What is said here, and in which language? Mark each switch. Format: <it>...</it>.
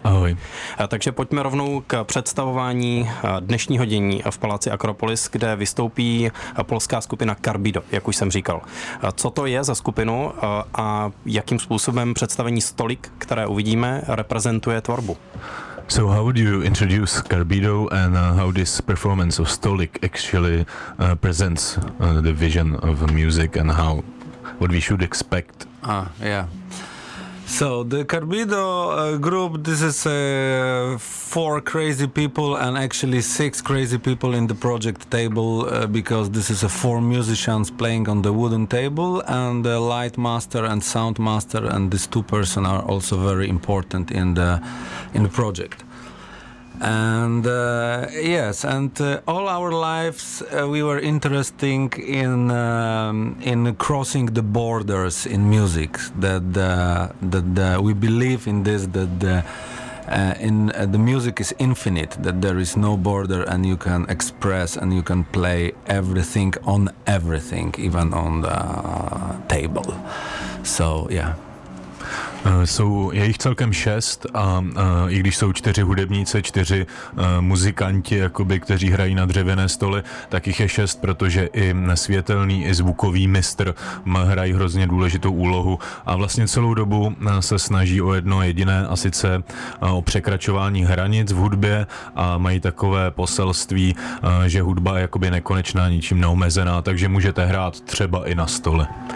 <cs>Ahoj. Takže pojďme rovnou k představování dnešního dění v paláci Akropolis, kde vystoupí polská skupina Carbido, jak už jsem říkal. Co to je za skupinu a jakým způsobem představení Stolik, které uvidíme, reprezentuje tvorbu?</cs> <en>So how would you introduce Carbido and how this performance of Stolik actually presents the vision of music and how what we should expect? So the Carbido group, this is four crazy people and actually six crazy people in the project table because this is four musicians playing on the wooden table and the light master and sound master, and these two person are also very important in the project. And yes, and all our lives we were interesting in crossing the borders in music, that we believe in this, that the music is infinite, that there is no border and you can express and you can play everything on everything, even on the table. So yeah.</en> <cs>Jsou jejich celkem šest a i když jsou čtyři hudebníci, čtyři muzikanti, jakoby, kteří hrají na dřevěné stoly, tak jich je šest, protože i světelný, i zvukový mistr hrají hrozně důležitou úlohu a vlastně celou dobu se snaží o jedno jediné, a sice o překračování hranic v hudbě, a mají takové poselství, že hudba je jakoby nekonečná, ničím neomezená, takže můžete hrát třeba i na stole.</cs>